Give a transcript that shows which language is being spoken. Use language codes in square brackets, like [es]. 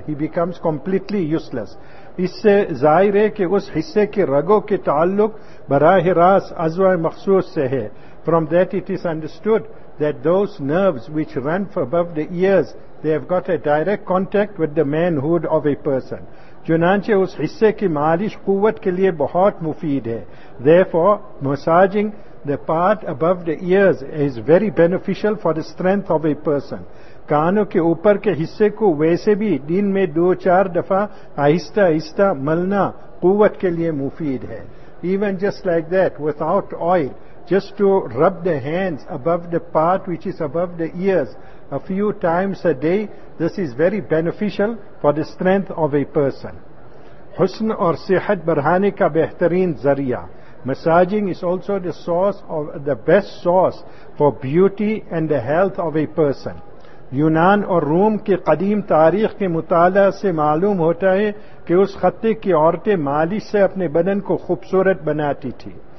[en] He becomes completely useless. [ur] اس سے ظاہر ہے کہ اس حصے کے رگوں کے تعلق براہ راست عضو مخصوص سے ہے. [en] From that it is understood that those nerves which run above the ears, they have got a direct contact with the manhood of a person. [ur] چنانچہ اس حصے کی مالش قوت کے لیے بہت مفید ہے. [en] Therefore, massaging the part above the ears is very beneficial for the strength of a person. [ur] کانوں کے اوپر کے حصے کو ویسے بھی دن میں دو چار دفعہ آہستہ آہستہ ملنا قوت کے لیے مفید ہے. [en] Even just like that, without oil, just to rub the hands above the part which is above the ears a few times a day, this is very beneficial for the strength of a person. [ur] حسن اور صحت بڑھانے کا بہترین ذریعہ. [en] Massaging is also the best source for beauty and the health of a person. [ur] یونان اور روم کے قدیم تاریخ کے مطالعہ سے معلوم ہوتا ہے کہ اس خطے کی عورتیں مالش سے اپنے بدن کو خوبصورت بناتی تھی.